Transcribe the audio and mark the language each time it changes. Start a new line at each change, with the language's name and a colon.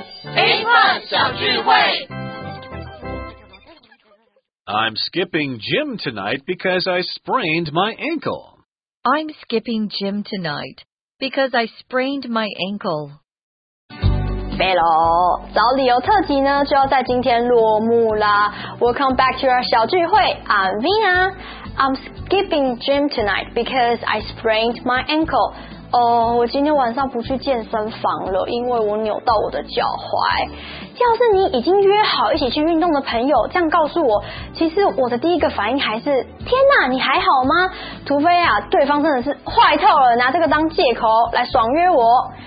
Chinese: A Plus 小聚会
English: I'm skipping gym tonight because I sprained my ankle. I'm skipping gym tonight because I sprained my ankle.
Chinese: 飞喽！找理由特辑呢，就要在今天落幕啦。
English: Welcome back to our 小聚会 ，I'm Vina. I'm skipping gym tonight because I sprained my ankle.
Chinese: 我今天晚上不去健身房了，因为我扭到我的脚踝。要是你已经约好一起去运动的朋友这样告诉我，其实我的第一个反应还是天哪，你还好吗？除非啊，对方真的是坏透了，拿这个当借口来爽约我。